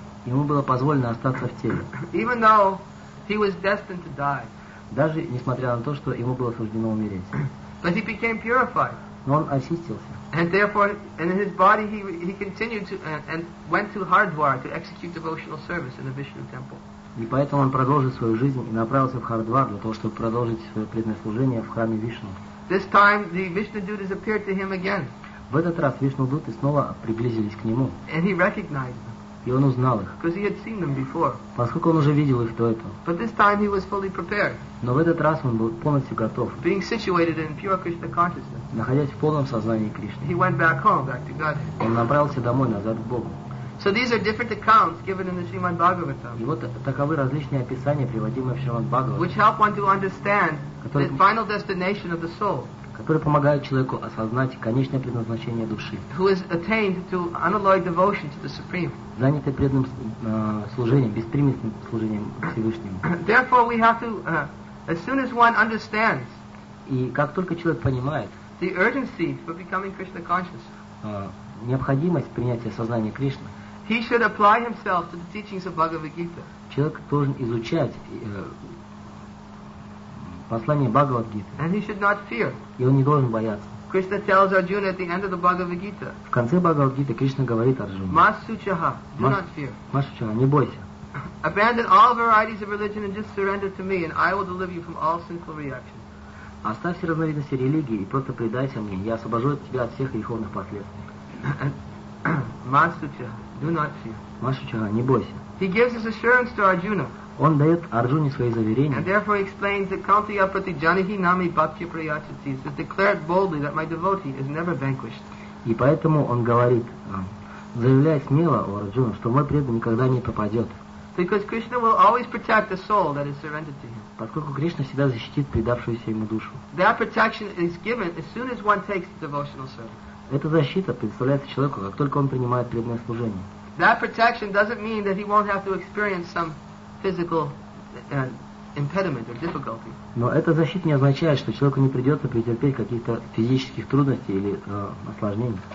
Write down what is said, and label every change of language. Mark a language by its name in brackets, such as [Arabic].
[Russian] Ему было позволено остаться в теле. [English] Even though he was destined to die. [Russian] Даже несмотря на то, что ему было суждено умереть. [English] But he became purified. [Russian] Но он очистился. [English] And therefore, and in his body, he continued to and went to Hardwar to execute devotional service in the Vishnu temple. [Russian] И поэтому он продолжил свою жизнь и направился в Хардвар для того, чтобы продолжить свое преданное служение в храме Вишну. [English] This time the Vishnudutas appeared to him again. [Russian] В этот раз Вишнудуты снова приблизились к нему. [English] And he recognized them. [Russian] И он узнал их. [English] Because he had seen them before. [Russian] Поскольку он уже видел их до этого. [English] But this time he was fully prepared. [Russian] Но в этот раз он был полностью готов. [English] Being situated in pure Krishna consciousness. [Russian] Находясь в полном сознании Кришны. [English] He went back home, back to Godhead. [Russian] Он направился домой, назад к Богу. [English] So So these are different accounts given in the Srimad Bhagavatam. [Russian] И вот таковы различные описания, приводимые в Шримад Бхагаватам. [English] Which help one to understand the final destination of the soul. [Russian] Которые помогают человеку осознать конечное предназначение души. [English] Who has attained to unalloyed devotion to the Supreme. [Russian] Занятый преданным служением, беспримесным служением Всевышнему. [English] Therefore we have to, as soon as one understands. [Russian] И как только человек понимает. [English] The urgency for becoming Krishna conscious. [Russian] Необходимость принятия сознания Кришны. [English] He should apply himself to the teachings of Bhagavad Gita. [Russian] Человек должен изучать послание Бхагавад Гиты. [English] And he should not fear. [Russian] И он не должен бояться. [English] Krishna tells Arjuna at the end of the Bhagavad Gita. [Russian] В конце Бхагавад Гиты Кришна говорит Арджуне. [English] Масучаха, do not fear. [Russian] Масучаха, не бойся. [English] Abandon all varieties of religion and just surrender to me, and I will deliver you from all sinful reactions. [Russian] Оставь все разновидности религии и просто предайся мне, я освобожу тебя от всех греховных последствий. [Sanskrit] Масучаха, [Russian] не бойся. [English] He gives his assurance to Arjuna. [Russian] Он дает Арджуне свои заверения. [English] And therefore explains that [Sanskrit] Kaltiya Prati Janahi Nami Bhakti Prayachati [English] is declared boldly that my devotee is never vanquished. [Russian] И поэтому он говорит, заявляя смело о Арджуне, что мой преданный никогда не попадет. [English] Because Krishna will always protect the soul that is surrendered to him. [Russian] Поскольку Кришна всегда защитит предавшуюся ему душу. [English] That protection is given as soon as one takes the devotional service. [Russian] Эта защита предоставляется человеку, как только он принимает преданное служение. [English] That protection doesn't mean that he won't have to experience some physical impediment or difficulty. [Russian] Но эта защита не означает, что человеку не придется претерпеть каких-то физических трудностей или осложнений.